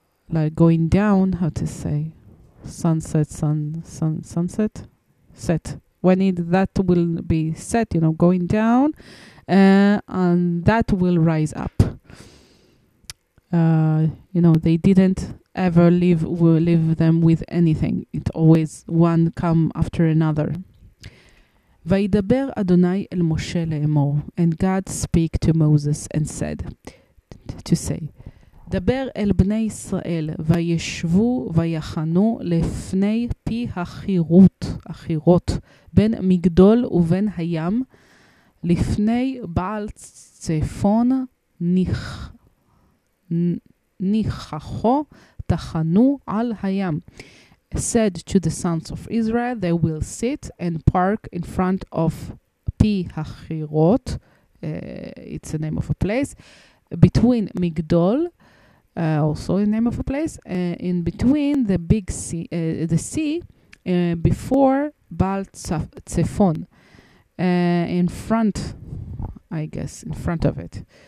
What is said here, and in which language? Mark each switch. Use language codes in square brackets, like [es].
[en] like going down, sunset, when it that will be set, you know, going down, and that will rise up, you know, they didn't ever leave them with anything. It always one come after another. [he] Vaydaber Adonai el Moshe le'emor, [en] and God speak to Moses and said, to say, [he] דבר אל בני ישראל וישבו ויחנו לפני פי החירות, החירות, בין מגדול ובין הים, לפני בעל צפון ניחחו, תחנו על הים. [en] Said to the sons of Israel, they will sit and park in front of Pi Hachirot, it's the name of a place, between Migdol, also the name of a place, in between the big sea, the sea, before Baal Tzephon, in front, I guess, in front of it.